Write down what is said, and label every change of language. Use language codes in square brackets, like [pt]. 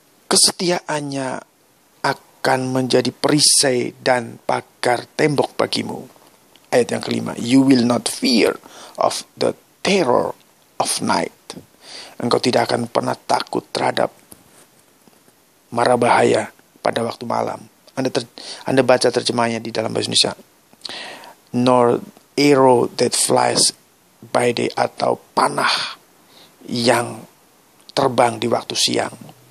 [id] Kesetiaannya akan menjadi perisai dan pagar tembok bagimu. Ayat yang 5. [en] You will not fear of the terror of night. [id] Engkau tidak akan pernah takut terhadap mara bahaya pada waktu malam. Anda baca terjemahnya di dalam bahasa Indonesia. [en] Nor arrow that flies by day, [id] atau panah yang terbang di waktu siang.